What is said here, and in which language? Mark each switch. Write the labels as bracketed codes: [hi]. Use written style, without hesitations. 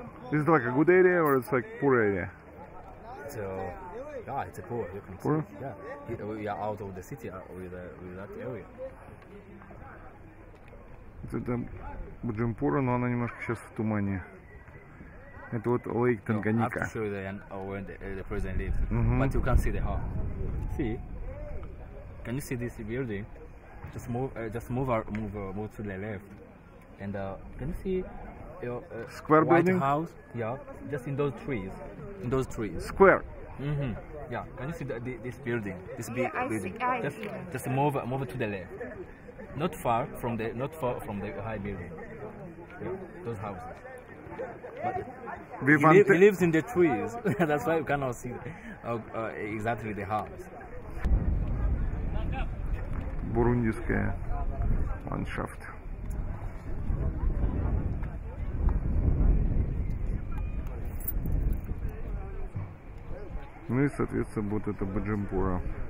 [en] This is like a good area or it's like poor area? Yeah, it's a poor. You can poor? See. Yeah, we are out of the city with that area. [ru] Это Буджимбура, но она немножко сейчас в тумане. Это вот Lake Tanganyika. [en] No, I'm sure where the president lives. Mm-hmm. But you can see the house. See? Can you see this building? Just move to the left. And can you see? Square white building? House. Yeah, just in those trees. In those trees. Square. Mm-hmm. Yeah. Can you see this building? This big building. See, just move to the left. Not far from the high building. Yeah. Those houses. He lives in the trees. That's why you cannot see exactly the house. [ru] Бурундийская ландшафт. Ну и, соответственно, вот это Буджимбура.